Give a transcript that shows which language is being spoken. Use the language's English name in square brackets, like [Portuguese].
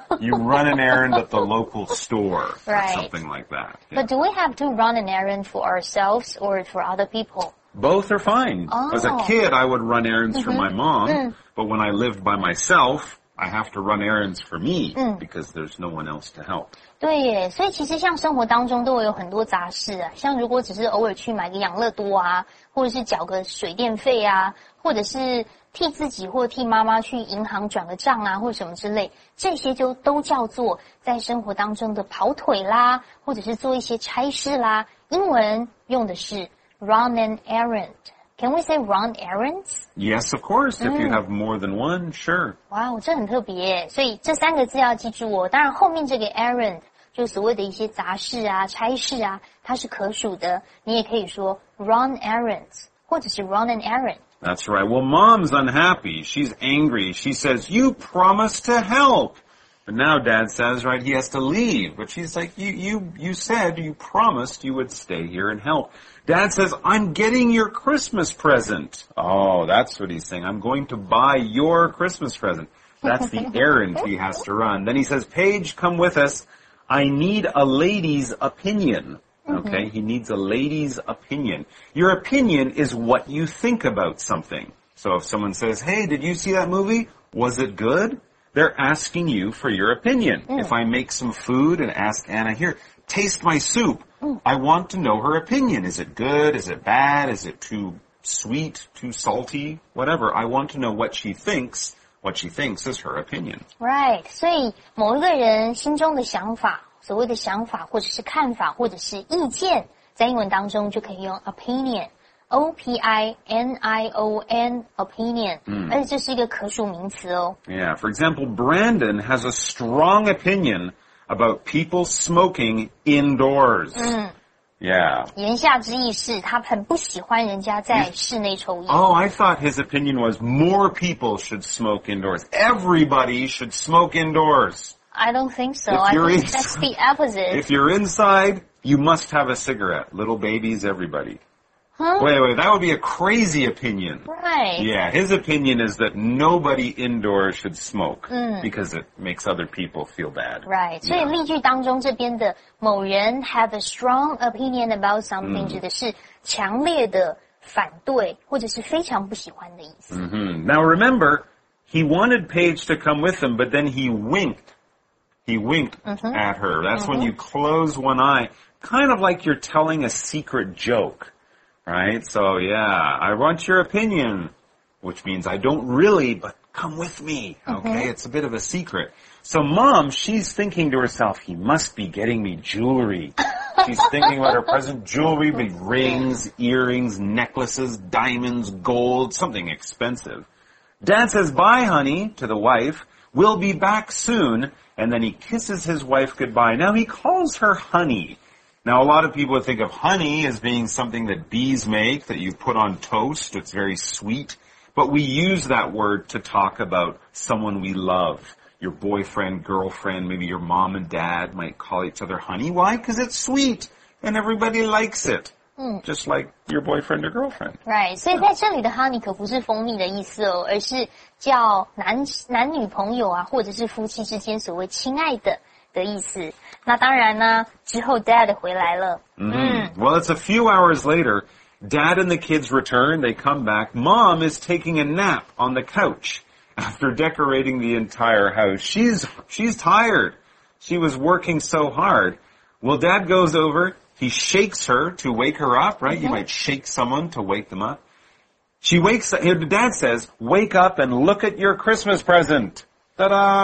[English] You run an errand at the local store, right, or something like that. Yeah. But do we have to run an errand for ourselves or for other people? Both are fine. Oh. As a kid, I would run errands for my mom. Mm. But when I lived by myself, I have to run errands for me because there's no one else to help. [Chinese] 对耶，所以其实像生活当中都会有很多杂事啊，像如果只是偶尔去买个养乐多啊，或者是缴个水电费啊，或者是替自己或替妈妈去银行转个账啊，或什么之类，这些就都叫做在生活当中的跑腿啦，或者是做一些差事啦。英文用的是 [English] run an errand。 Can we say run errands? Yes, of course. If you have more than one, sure. [Chinese] Wow, 这很特别。所以这三个字要记住哦。当然后面这个 errand, 就所谓的一些杂事啊、差事啊，它是可数的。你也可以说 [English] run errands, [Chinese] 或者是 [English] run an errand. That's right. Well, mom's unhappy. She's angry. She says, you promised to help. But now dad says, right, he has to leave. But she's like, you said you promised you would stay here and help. Dad says, I'm getting your Christmas present. Oh, that's what he's saying. I'm going to buy your Christmas present. That's the errand he has to run. Then he says, Paige, come with us. I need a lady's opinion. Okay, he needs a lady's opinion. Your opinion is what you think about something. So if someone says, hey, did you see that movie? Was it good? They're asking you for your opinion. If I make some food and ask Anna, here, taste my soup. I want to know her opinion. Is it good? Is it bad? Is it too sweet? Too salty? Whatever. I want to know what she thinks. What she thinks is her opinion. Right. [Chinese] 所以某一个人心中的想法，所谓的想法或者是看法或者是意见，在英文当中就可以用 opinion. [English] O-P-I-N-I-O-N, opinion. [Chinese] 而且这是一个可数名词哦。 [English] Yeah. For example, Brandon has a strong opinion. About people smoking indoors. Yeah. [Chinese] 言下之意是他很不喜欢人家在室内抽烟。 [English] Oh, I thought his opinion was more people should smoke indoors. Everybody should smoke indoors. I don't think so. I think that's the opposite. If you're inside, you must have a cigarette. Little babies, everybody. Huh? Wait, that would be a crazy opinion. Right. Yeah, his opinion is that nobody indoors should smoke because it makes other people feel bad. Right. [Chinese] 所以例句当中这边的某人 [English] have a strong opinion about something [Chinese] 指的是强烈的反对或者是非常不喜欢的意思。 [English] Now remember, he wanted Paige to come with him, but then he winked. He winked at her. That's when you close one eye, kind of like you're telling a secret joke. Right? So, yeah, I want your opinion, which means I don't really, but come with me, okay? It's a bit of a secret. So mom, she's thinking to herself, he must be getting me jewelry. She's thinking about her present jewelry, big rings, earrings, necklaces, diamonds, gold, something expensive. Dad says, bye, honey, to the wife. We'll be back soon. And then he kisses his wife goodbye. Now he calls her honey. Now, a lot of people would think of honey as being something that bees make, that you put on toast. It's very sweet. But we use that word to talk about someone we love. Your boyfriend, girlfriend, maybe your mom and dad might call each other honey. Why? Because it's sweet and everybody likes it. Just like your boyfriend or girlfriend. Right. [Chinese] 所以在这里的 honey 可不是蜂蜜的意思哦，而是叫男女朋友啊，或者是夫妻之间所谓亲爱的。的意思那当然呢之后 dad 回来了、 [English] Well it's a few hours later dad and the kids return they come back mom is taking a nap on the couch after decorating the entire house she's tired she was working so hard well dad goes over he shakes her to wake her up right you might shake someone to wake them up she wakes up dad says wake up and look at your Christmas presentTa-da!